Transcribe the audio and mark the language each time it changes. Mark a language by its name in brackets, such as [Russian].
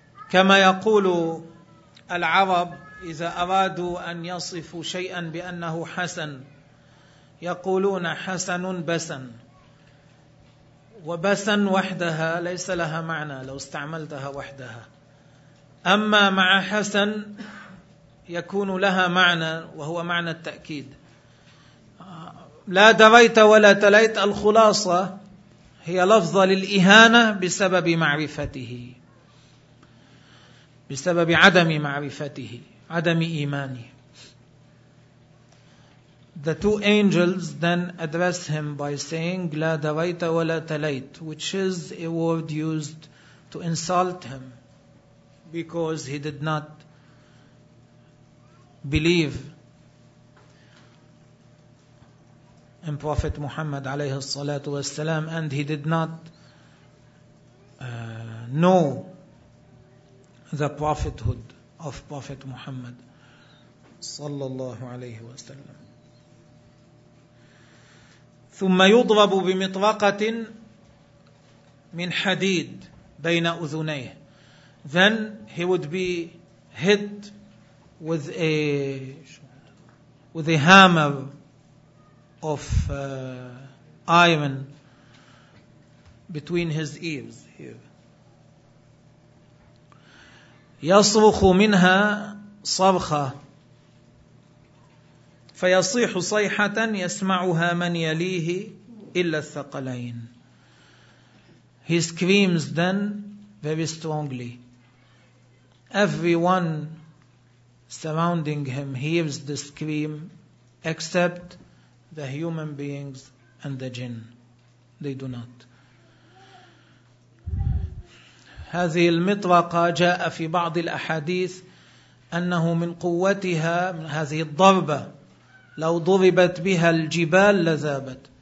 [Arabic] كما يقول العرب إذا أرادوا أن يصفوا شيئا بأنه حسن يقولون حسن بسن، وبسن وحدها ليس لها معنى لو استعملتها وحدها، أما مع حسن يكون لها معنى وهو معنى التأكيد. لا دريت ولا تليت الخلاصة هي لفظة للإهانة بسبب معرفته، بسبب عدم معرفته، عدم إيمانه. [English] The two angels then address him by saying [Arabic] لا دريت ولا تليت, [English] which is a word used to insult him because he did not believe in Prophet Muhammad [Arabic] عليه الصلاة والسلام, [English] and he did not know the prophethood of Prophet Muhammad [Arabic] صلى الله عليه وسلم. ثم يضرب بمطرقة من حديد بين أذنيه. [English] Then he would be hit with a hammer of iron between his ears here. [Arabic] يصرخ منها صرخة فيصيح صيحة يسمعها من يليه إلا الثقلين. [English] He screams then very strongly. Everyone surrounding him hears the scream except the human beings and the jinn. They do not. [Arabic] هذه المطرقة جاء في بعض الأحاديث أنه من قوتها من هذه الضربة لو ضربت بها الجبال لذابت.